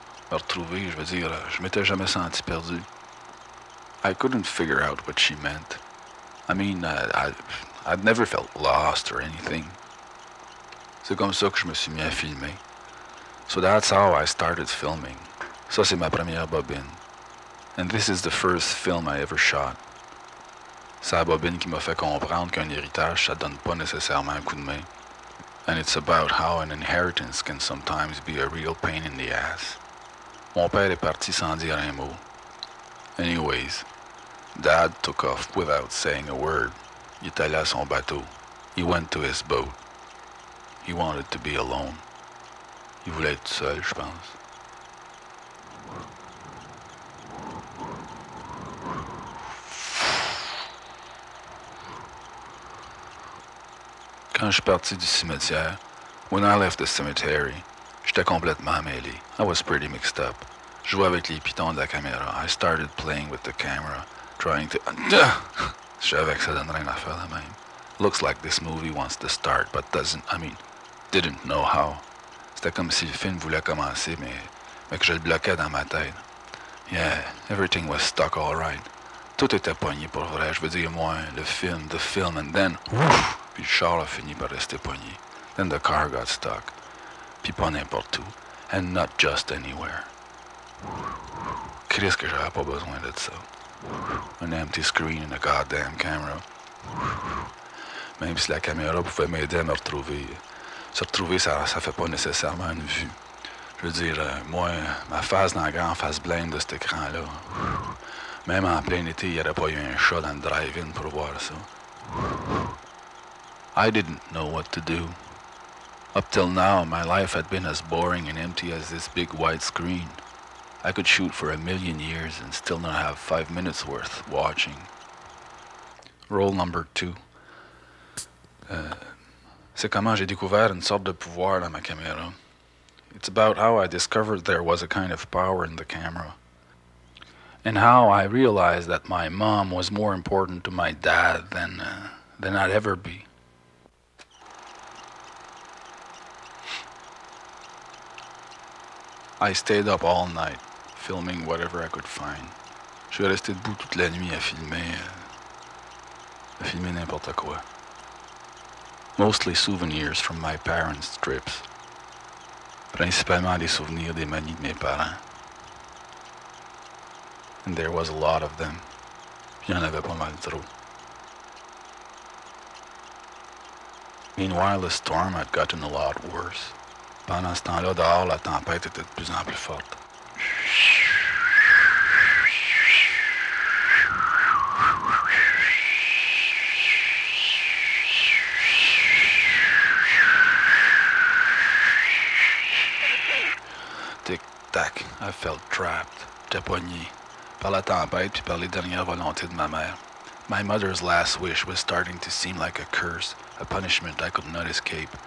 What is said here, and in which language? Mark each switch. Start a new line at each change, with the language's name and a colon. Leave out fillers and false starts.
French: Me retrouver, je veux dire, je m'étais jamais senti perdu.
English: I couldn't figure out what she meant. I mean, I'd never felt lost or anything.
French: C'est comme ça que je me suis mis à filmer.
English: So that's how I started filming.
French: Ça, c'est ma première bobine.
English: And this is the first film I ever shot.
French: C'est la bobine qui m'a fait comprendre qu'un héritage, ça donne pas nécessairement un coup de main.
English: And it's about how an inheritance can sometimes be a real pain in the ass.
French: Mon père est parti sans dire un mot.
English: Anyways, Dad took off without saying a word.
French: Il est allé à son bateau.
English: He went to his boat. He wanted to be alone.
French: Il voulait être seul, je pense. Quand je suis parti du cimetière,
English: when I left the cemetery,
French: j'étais complètement mêlé.
English: I was pretty mixed up.
French: Je jouais avec les pitons de la caméra.
English: I started playing with the camera, trying to...
French: Je savais que ça donnerait une affaire la même.
English: Looks like this movie wants to start, but doesn't, I mean, didn't know how.
French: C'était comme si le film voulait commencer, mais que je le bloquais dans ma tête.
English: Yeah, everything was stuck all right.
French: Tout était poigné pour vrai, je veux dire moi,
English: the film, and then...
French: Puis le char a fini par rester poigné.
English: Then the car got stuck.
French: Puis pas n'importe où.
English: And not just anywhere.
French: Chris, que j'avais pas besoin de ça.
English: An empty screen and a goddamn camera.
French: Même si la caméra pouvait m'aider à me retrouver. Se retrouver, ça fait pas nécessairement une vue. Je veux dire, moi, ma face dans la grande face blinde de cet écran-là. Même en plein été, il n'y aurait pas eu un chat dans le drive-in pour voir ça.
English: I didn't know what to do. Up till now, my life had been as boring and empty as this big white screen. I could shoot for a million years and still not have 5 minutes worth watching. Roll number two.
French: C'est comment j'ai découvert une sorte de pouvoir dans ma caméra.
English: It's about how I discovered there was a kind of power in the camera. And how I realized that my mom was more important to my dad than I'd ever be. I stayed up all night, filming whatever I could find.
French: Je suis resté debout toute la nuit à filmer n'importe quoi.
English: Mostly souvenirs from my parents' trips.
French: Principalement les souvenirs des manies de mes parents.
English: And there was a lot of them.
French: Il y en avait pas mal trop.
English: Meanwhile, the storm had gotten a lot worse.
French: Pendant ce temps-là, dehors, la tempête était de plus en plus forte. Tic-tac,
English: I felt trapped,
French: japonné, par la tempête puis par les dernières volontés de ma mère.
English: My mother's last wish was starting to seem like a curse, a punishment I could not escape.